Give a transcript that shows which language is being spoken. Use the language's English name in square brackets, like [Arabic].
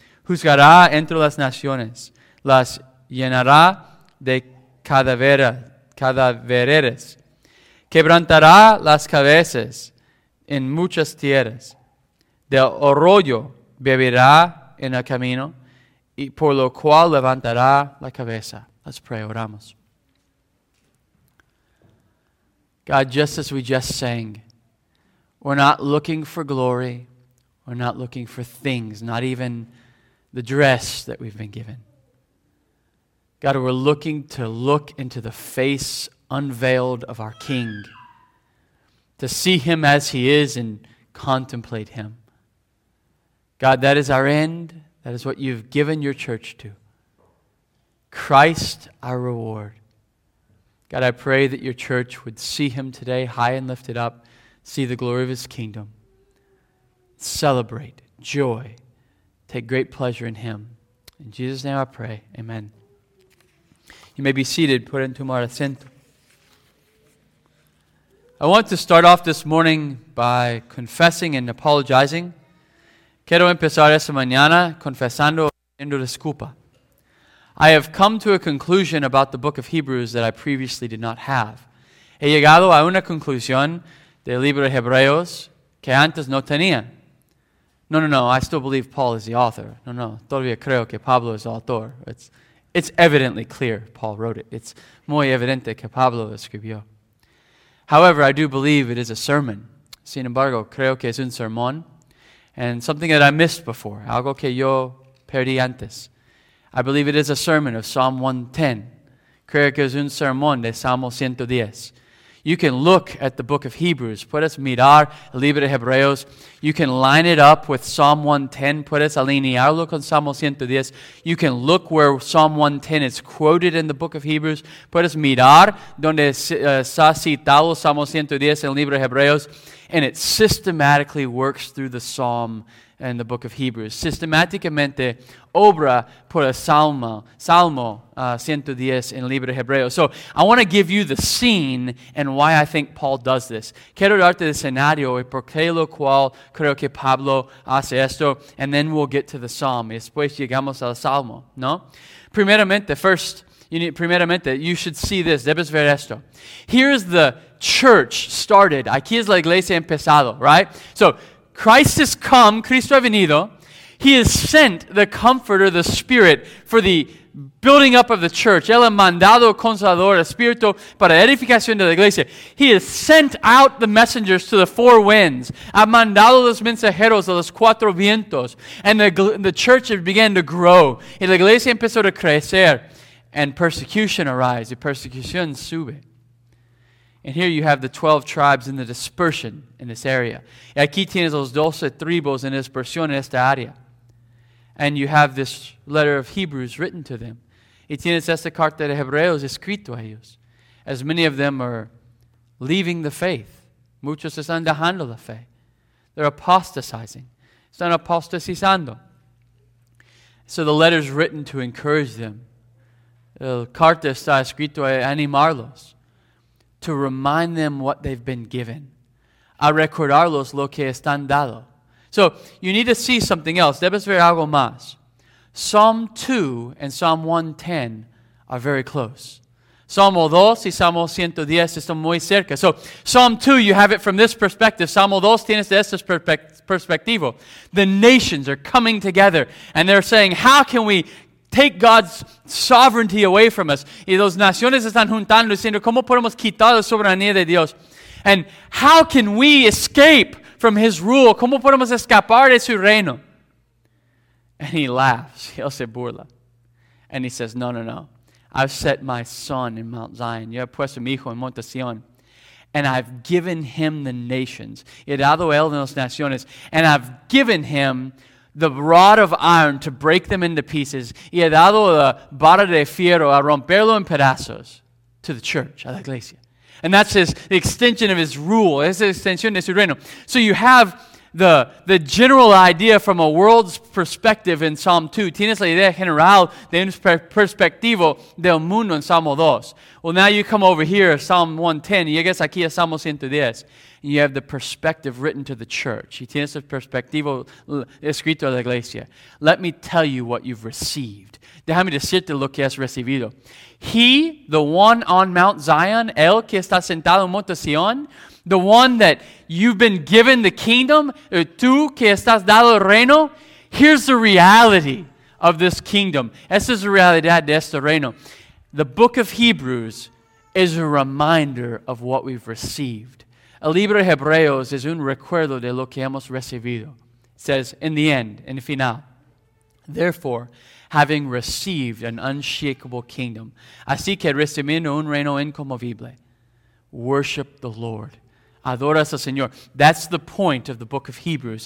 [Spanish] Juzgará entre las naciones, las llenará de cadáveres. Quebrantará las cabezas en muchas tierras. Del arroyo beberá en el camino, y por lo cual levantará la cabeza. [English] Let's pray, [Spanish] oramos. [English] God, just as we just sang, we're not looking for glory. We're not looking for things, not even the dress that we've been given. God, we're looking to look into the face unveiled of our King, to see him as he is and contemplate him. God, that is our end. That is what you've given your church to. Christ, our reward. God, I pray that your church would see him today high and lifted up, see the glory of his kingdom, celebrate joy, take great pleasure in him. In Jesus' name I pray, amen. You may be seated, put into my asiento. I want to start off this morning by confessing and apologizing. [Spanish] Quiero empezar esta mañana confesando pidiendo disculpa. [English] I have come to a conclusion about the book of Hebrews that I previously did not have. [Spanish] He llegado a una conclusión del libro de Hebreos que antes no tenía. [English] No, I still believe Paul is the author. [Spanish] No, todavía creo que Pablo es el autor. [English] It's evidently clear Paul wrote it. It's [Spanish] muy evidente que Pablo escribió. [English] However, I do believe it is a sermon. [Spanish] Sin embargo, creo que es un sermón [English] and something that I missed before, [Spanish] algo que yo perdí antes. [English] I believe it is a sermon of Psalm 110. [Spanish] Creo que es un sermón de Salmo 110. [English] You can look at the book of Hebrews. [Spanish] Puedes mirar el libro de Hebreos. [English] You can line it up with Psalm 110. [Spanish] Puedes alinearlo con Salmo 110. [English] You can look where Psalm 110 is quoted in the book of Hebrews. [Spanish] Puedes mirar donde está citado Salmo 110 en el libro de Hebreos. [English] And it systematically works through the psalm and the book of Hebrews. [Spanish] Sistematicamente obra por el Salmo 110 en el libro de Hebreos. [English] So I want to give you the scene and why I think Paul does this. [Spanish] Quiero darte el escenario y por qué lo cual creo que Pablo hace esto. [English] And then we'll get to the psalm. [Spanish] Y después llegamos al Salmo, ¿no? [English] You should see this. [Spanish] Debes ver esto. [English] Here is the church started. [Spanish] Aquí es la iglesia empezado, [English] right? So, Christ has come, [Spanish] Cristo ha venido. [English] He has sent the Comforter, the Spirit, for the building up of the church. [Spanish] Él ha mandado consolador, espíritu, para edificación de la iglesia. [English] He has sent out the messengers to the four winds. [Spanish] Ha mandado los mensajeros a los cuatro vientos. [English] And the church began to grow. [Spanish] Y la iglesia empezó a crecer. [English] And persecution arise. [Spanish] Y persecución sube. [English] And here you have the 12 tribes in the dispersion in this area. [Spanish] Y aquí tienes los 12 tribus en dispersión en esta área. [English] And you have this letter of Hebrews written to them. [Spanish] Y tienes esta carta de Hebreos escrito a ellos. [English] As many of them are leaving the faith. [Spanish] Muchos están dejando la fe. [English] They're apostatizing. [Spanish] Están apostatizando. [English] So the letter's written to encourage them. [Spanish] La carta está escrito a animarlos. [English] To remind them what they've been given. [Spanish] A recordarlos lo que están dado. [English] So, you need to see something else. [Spanish] Debes ver algo más. [English] Psalm 2 and Psalm 110 are very close. [Spanish] Psalm 2 y Psalm 110 están muy cerca. [English] So, Psalm 2, you have it from this perspective. [Spanish] Psalm 2 tienes de este perspectivo. [English] The nations are coming together and they're saying, how can we take God's sovereignty away from us? [Spanish] Y las naciones están juntando diciendo, ¿cómo podemos quitar la soberanía de Dios? [English] And how can we escape from his rule? [Spanish] ¿Cómo podemos escapar de su reino? [English] And he laughs. [Spanish] Él se burla. [English] And he says, no. I've set my son in Mount Zion. [Spanish] Yo he puesto mi hijo en Monte Sion. [English] And I've given him the nations. [Spanish] He dado él en las naciones. [English] And I've given him the rod of iron to break them into pieces. [Spanish] Y he dado la vara de fierro a romperlo en pedazos [English] to the church, [Spanish] a la iglesia. [English] And that's his extension of his rule. [Spanish] Es la extensión de su reino. [English] So you have the general idea from a world's perspective in Psalm 2. [Spanish] Tienes la idea general de un perspectivo del mundo en Salmo 2. [English] Well, now you come over here, Psalm 110, [Spanish] y llegas aquí a Salmo 110. [English] And you have the perspective written to the church. [Spanish] Y tienes el perspectivo escrito a la iglesia. [English] Let me tell you what you've received. [Spanish] Déjame decirte lo que has recibido. [English] He, the one on Mount Zion, [Spanish] el que está sentado en Monte Sion, [English] the one that you've been given the kingdom, [Spanish] tú que estás dado el reino, [English] here's the reality of this kingdom. [Spanish] Esta es la realidad de este reino. [English] The book of Hebrews is a reminder of what we've received. [Spanish] El libro de Hebreos es un recuerdo de lo que hemos recibido. [English] It says, in the end, in the final. Therefore, having received an unshakable kingdom, [Spanish] así que recibiendo un reino incomovible, [English] worship the Lord. [Spanish] Adoras al Señor. [English] That's the point of the book of Hebrews.